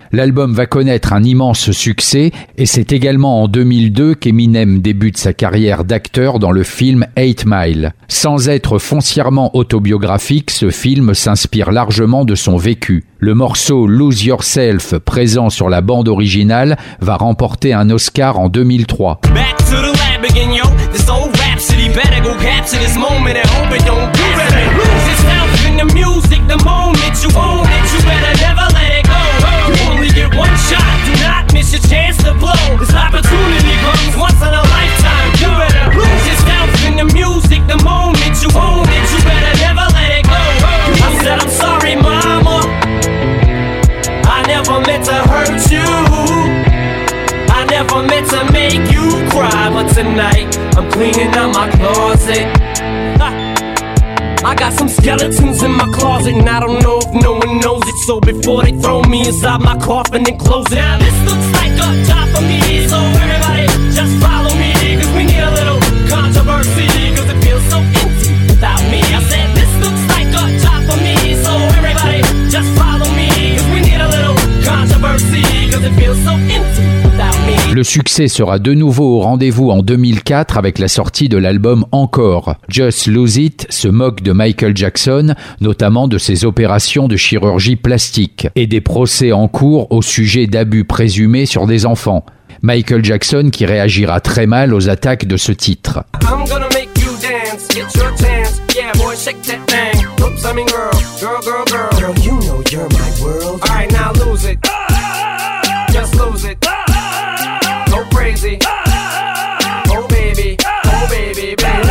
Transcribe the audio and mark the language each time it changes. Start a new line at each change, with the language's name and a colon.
French: L'album va connaître un immense succès et c'est également en 2002 qu'Eminem débute sa carrière d'acteur dans le film 8 Mile. Sans être foncièrement autobiographique, ce film s'inspire largement de son vécu. Le morceau « Lose Yourself » présent sur la bande originale va remporter un Oscar en 2003.
English: Back to the lab again, yo. This old rhapsody better go capture this moment and hope it don't do it. Lose yourself in the music, the moment you own it, you better never let it go. You only get one shot, do not miss your chance to blow. This opportunity comes once in a lifetime, you better lose yourself in the music, the moment you own it, you better never let it go. I said I'm sorry, mama, I never meant to hurt you, I never meant to make you cry, but tonight I'm cleaning out my closet. I got some skeletons in my closet and I don't know if no one knows it. So before they throw me inside my coffin and close it. Now this looks like a job for me, so everybody just follow me, cause we need a little controversy, cause it feels so empty without me. I said this looks like a job for me, so everybody just follow me, cause we need a little controversy, cause it feels so empty.
French: Le succès sera de nouveau au rendez-vous en 2004 avec la sortie de l'album Encore. Just Lose It se moque de Michael Jackson, notamment de ses opérations de chirurgie plastique et des procès en cours au sujet d'abus présumés sur des enfants. Michael Jackson qui réagira très mal aux attaques de ce titre.
English: I'm gonna make you dance, get your chance, yeah boy shake that thing. Oops, I mean girl, girl, girl, girl, girl, you know you're my world. Alright, now lose it, just lose it. Oh baby, oh baby, baby.